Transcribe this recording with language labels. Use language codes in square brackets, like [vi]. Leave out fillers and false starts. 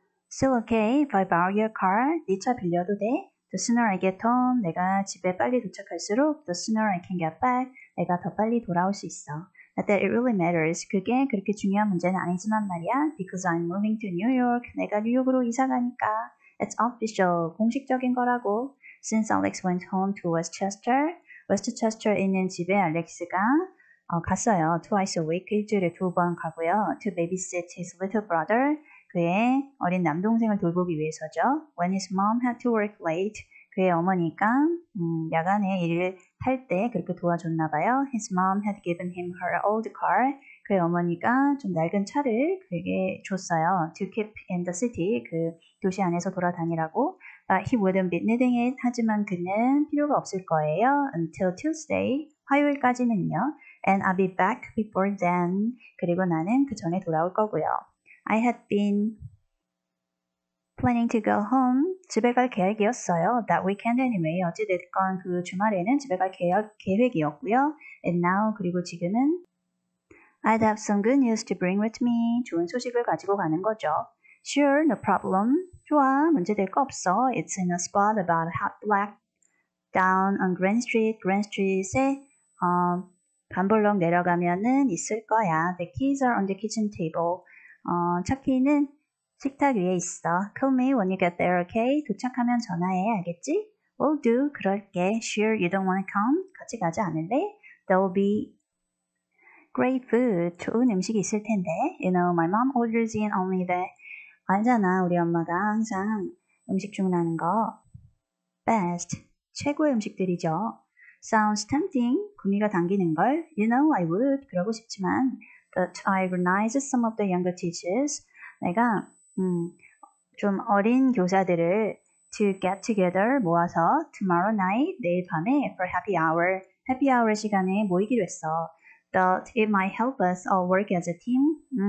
[en] Still okay, if I borrow your car, [ko] 네 차 빌려도 돼? [en] The sooner I get home, [ko] 내가 집에 빨리 도착할수록 [en] the sooner I can get back, [ko] 내가 더 빨리 돌아올 수 있어. [en] Not that it really matters, [ko] 그게 그렇게 중요한 문제는 아니지만 말이야. [en] Because I'm moving to New York, [ko] 내가 뉴욕으로 이사 가니까. [en] It's official, [ko] 공식적인 거라고. [en] Since Alex went home to Westchester에 [ko] 있는 집에 알렉스가 갔어요. [en] Twice a week, [ko] 일주일에 두번 가고요. [en] To babysit his little brother, [ko] 그의 어린 남동생을 돌보기 위해서죠. [en] When his mom had to work late, [ko] 그의 어머니가 야간에 일을 할때 그렇게 도와줬나 봐요. [en] His mom had given him her old car. [ko] 그의 어머니가 좀 낡은 차를 그에게 줬어요. [en] To keep in the city, [ko] 그 도시 안에서 돌아다니라고. [en] But he wouldn't be needing it. [ko] 하지만 그는 필요가 없을 거예요. [en] Until Tuesday, [ko] 화요일까지는요. [en] And I'll be back before then. [ko] 그리고 나는 그 전에 돌아올 거고요. [en] I had been planning to go home. [ko] 집에 갈 계획이었어요. [en] That weekend anyway. [ko] 어찌됐건 그 주말에는 집에 갈 계획이었고요. [en] And now, [ko] 그리고 지금은 [en] I'd have some good news to bring with me. [ko] 좋은 소식을 가지고 가는 거죠. [en] Sure, no problem. [ko] 좋아, 문제될 거 없어. [en] It's in a spot about a half block down on Grand Street. [ko] Grand Street에 반블럭 내려가면은 있을 거야. [en] The keys are on the kitchen table. [ko] 차 키는 식탁 위에 있어. [en] Call me when you get there, okay? [ko] 도착하면 전화해, 알겠지? [en] Will do, 그럴게. Sure, you don't wanna come? [ko] 같이 가지 않을래? [en] There'll be great food. [ko] 좋은 음식이 있을 텐데. [en] You know, my mom orders in only the. [ko] 알잖아, 우리 엄마가 항상 음식 주문하는 거. [en] Best. [ko] 최고의 음식들이죠. [en] Sounds tempting. [ko] 구미가 당기는 걸. [en] You know, I would. [ko] 그러고 싶지만. [en] But I recognize some of the younger teachers. [ko] 내가 좀 어린 교사들을 [en] to get together [ko] 모아서 [en] tomorrow night [ko] 내일 밤에 [en] for happy hour [ko] 시간에 모이기로 했어. [en] That it might help us all work as a team.